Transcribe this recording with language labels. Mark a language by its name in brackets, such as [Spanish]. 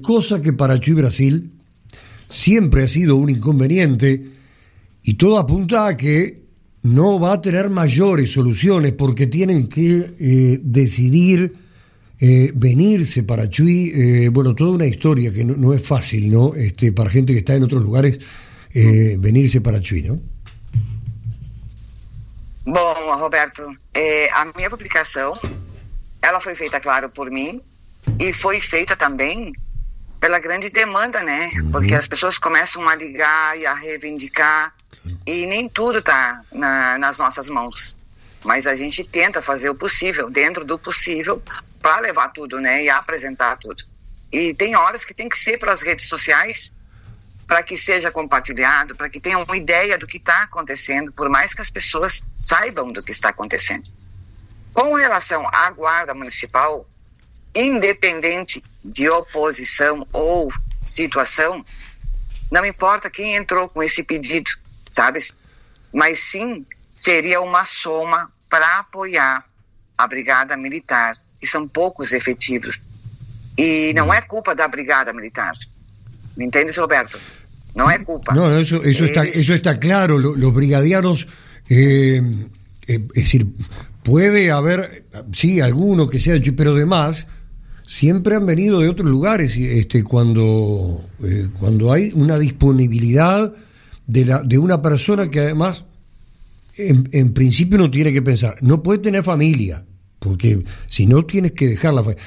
[Spanish] Cosa que para Chuy Brasil siempre ha sido un inconveniente, y todo apunta a que no va a tener mayores soluciones, porque tienen que decidir venirse para Chuy. Bueno, toda una historia que no es fácil, ¿no? Para gente que está en otros lugares, venirse para Chuy, ¿no? [Portuguese] Bom, Roberto, a minha publicação, ela foi feita, claro, por mim, e foi feita também pela grande demanda, né? Porque as pessoas começam a ligar e a reivindicar, e nem tudo está nas nossas mãos. Mas a gente tenta fazer o possível, dentro do possível, para levar tudo, né? E apresentar tudo. E tem horas que tem que ser pelas redes sociais, para que seja compartilhado, para que tenha uma ideia do que está acontecendo, por mais que as pessoas saibam do que está acontecendo. Com relação à Guarda Municipal, independente de oposição ou situação, não importa quem entrou com esse pedido, sabe? Mas sim, seria uma soma para apoiar a Brigada Militar, que são poucos efetivos. E não é culpa da Brigada Militar. [Spanish] ¿Me entiendes, Roberto? No es culpa. No, eso está claro. Los brigadianos, es decir, puede haber, sí, alguno que sea, pero demás, siempre han venido de otros lugares. Cuando hay una disponibilidad de una persona que además, en principio no tiene que pensar, no puede tener familia, porque si no tienes que dejarla.